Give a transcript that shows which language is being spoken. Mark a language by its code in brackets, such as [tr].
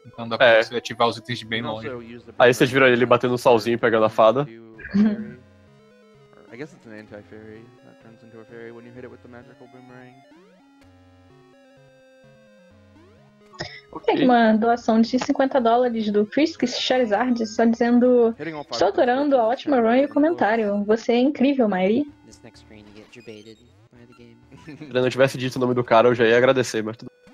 [pt] Então dá pra você ativar os itens de bem longe. Aí vocês viram ele batendo um solzinho e pegando a fada. [en] I guess it's an anti-fairy that turns into a fairy when you hit it with the magical boomerang. [pt] Tem uma doação de $50 do Frisky Charizard, só dizendo: estou adorando a ótima run e o comentário. Você é incrível, Mairi. Se eu não tivesse dito o nome do cara, eu já ia agradecer, mas tudo.